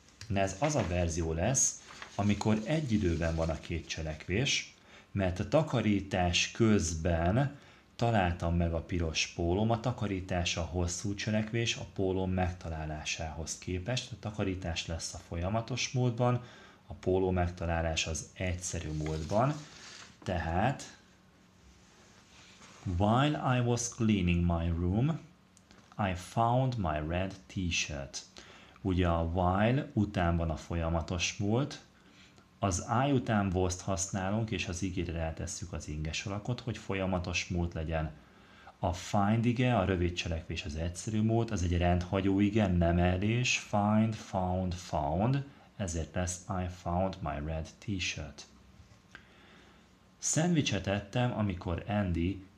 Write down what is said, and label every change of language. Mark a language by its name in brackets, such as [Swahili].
[Hungarian] De ez az a verzió lesz, amikor egy időben van a két cselekvés, mert a takarítás közben találtam meg a piros pólómat, a takarítás a hosszú cselekvés a pólóm megtalálásához képest. A takarítás lesz a folyamatos módban, a póló megtalálás az egyszerű módban. [English] Tehát, while I was cleaning my room, I found my red t-shirt. [Hungarian] Ugye a while után van a folyamatos múlt, az I után was-t használunk, és az igére rátesszük az inges alakot, hogy folyamatos múlt legyen. A find ige, a rövid cselekvés az egyszerű múlt, az egy rendhagyó ige, nem elés, find, found, found, ezért lesz [English] I found my red t-shirt. [Hungarian] Szendvicset ettem, amikor Andy